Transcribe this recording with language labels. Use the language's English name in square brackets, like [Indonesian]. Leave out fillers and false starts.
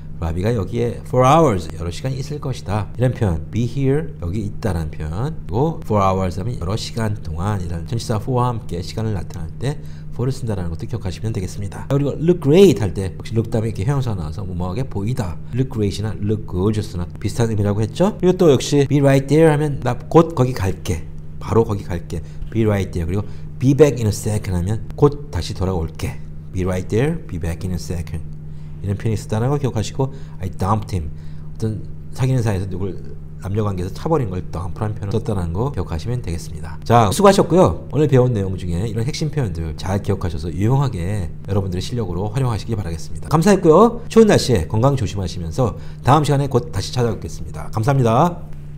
[Korean] 로비가 여기에 [English] for hours [Korean] 여러 시간 있을 것이다 이런 표현, [English] be here [Korean] 여기 있다라는 표현, 그리고 for hours 하면 여러 시간 동안 이라는 전치사 for와 함께 시간을 나타낼 때 for를 쓴다라는 것도 기억하시면 되겠습니다. 그리고 [English] look great [Korean] 할 때 혹시 look 다음에 이렇게 형용사가 나와서 무모하게 보이다, look great이나 [English] look gorgeous [Korean] 나 비슷한 의미라고 했죠. 그리고 또 역시 [English] be right there [Korean] 하면 나 곧 거기 갈게, 바로 거기 갈게, be right there. 그리고 [English] be back in a second [Korean] 하면 곧 다시 돌아올게, [English] be right there, be back in a second [Korean] 이런 표현이 있었다는 걸 기억하시고, [English] I dumped him. [Korean] 어떤 사귀는 사이에서 누굴 남녀관계에서 차버린 걸 dump라는 표현을 썼다는 거 기억하시면 되겠습니다. 자, 수고하셨고요. 오늘 배운 내용 중에 이런 핵심 표현들 잘 기억하셔서 유용하게 여러분들의 실력으로 활용하시길 바라겠습니다. 감사했고요. 추운 날씨에 건강 조심하시면서 다음 시간에 곧 다시 찾아뵙겠습니다. 감사합니다.